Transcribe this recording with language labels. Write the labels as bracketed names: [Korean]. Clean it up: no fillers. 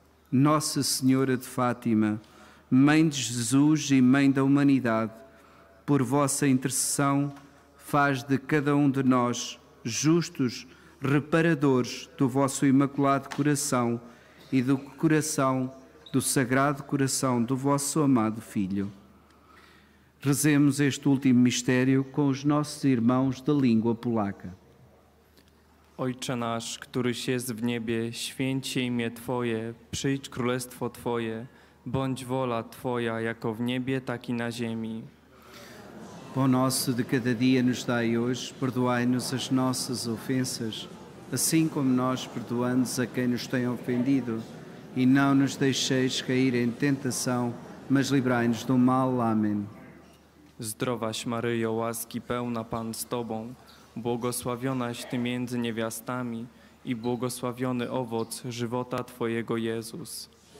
[Portuguese] Nossa Senhora de Fátima, Mãe de Jesus e Mãe da Humanidade, por vossa intercessão, faz de cada um de nós justos reparadores do vosso Imaculado Coração e do coração do Sagrado Coração do vosso amado Filho. Rezemos este último mistério com os nossos irmãos da língua polaca. [Polish] Ojcze nasz, któryś jest w niebie, święć się imię Twoje, przyjdź królestwo Twoje, bądź wola Twoja, jako w niebie, tak i na ziemi. [Portuguese] Pão nosso de cada dia nos dai hoje, perdoai-nos as nossas ofensas, assim como nós perdoamos a quem nos tem ofendido. E não nos deixeis cair em tentação, mas livrai-nos do mal. Amém. [Polish] Zdrowaś Maryjo, łaski pełna Pan z Tobą, błogosławionaś Ty między niewiastami i błogosławiony owoc żywota Twojego, Jezus.